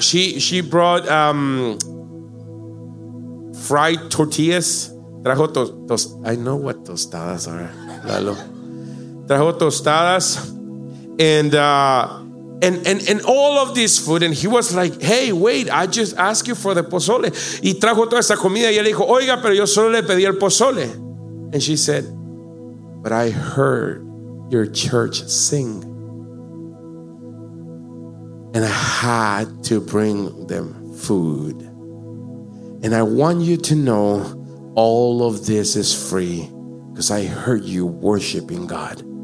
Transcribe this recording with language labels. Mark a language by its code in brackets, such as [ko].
[en] She brought fried tortillas. Trajo I know what tostadas are. Lalo. [es] Trajo tostadas. [en] And all of this food, and he was like, hey, wait, I just asked you for the pozole. [es] Y trajo toda esta comida y ella dijo, oiga, pero yo solo le pedí el pozole. [en] And she said, but I heard your church sing. And I had to bring them food. And I want you to know all of this is free because I heard you worshiping God.